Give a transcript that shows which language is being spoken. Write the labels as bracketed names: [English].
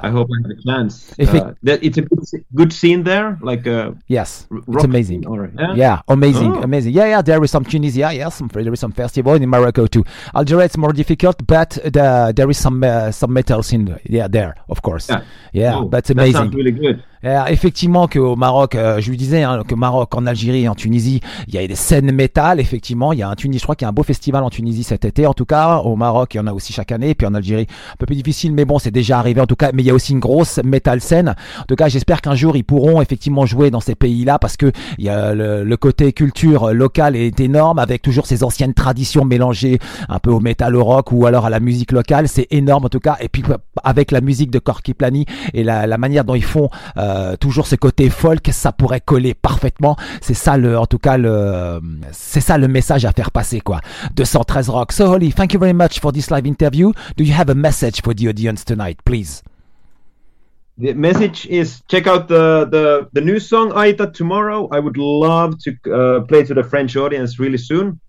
[English] I hope I have a chance. It's a good scene there, it's amazing. There is some Tunisia, yes, there is some festival in Morocco too. Algeria is more difficult, but there is some metal scene there, of course. But it's amazing. That sounds really good. [French] Effectivement, qu'au Maroc, je lui disais, que Maroc, en Algérie et en Tunisie, il y a des scènes métal. Effectivement, il y a je crois qu'il y a un beau festival en Tunisie cet été. En tout cas, au Maroc, il y en a aussi chaque année. Et puis en Algérie, un peu plus difficile, mais bon, c'est déjà arrivé. En tout cas, mais il y a aussi une grosse métal scène. En tout cas, j'espère qu'un jour, ils pourront effectivement jouer dans ces pays-là, parce que il y a le côté culture locale est énorme, avec toujours ces anciennes traditions mélangées un peu au métal, au rock ou alors à la musique locale. C'est énorme, en tout cas. Et puis, avec la musique de Corky Plani et la manière dont ils font, toujours ce côté folk, ça pourrait coller parfaitement. C'est ça le message à faire passer, quoi. 213 Rock. [English] So, Holly, thank you very much for this live interview. Do you have a message for the audience tonight, please? The message is check out the new song, Aita, tomorrow. I would love to play to the French audience really soon.